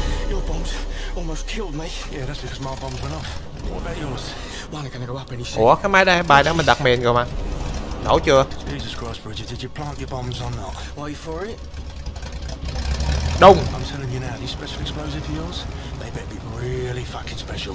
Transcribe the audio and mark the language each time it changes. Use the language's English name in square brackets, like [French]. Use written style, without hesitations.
[English] Your bombs almost killed me. Yeah, that's because my bombs went off. What about yours? Well, go. [Vietnamese] Ủa, cái máy đây, bài đó mình đặt mìn rồi mà. Nổ chưa? [English] Jesus Christ, Bridget, did you plant your bombs or not? Wait for it. [Vietnamese] Đông. [English] I'm telling you now, these special explosives of yours, they better be really fucking special.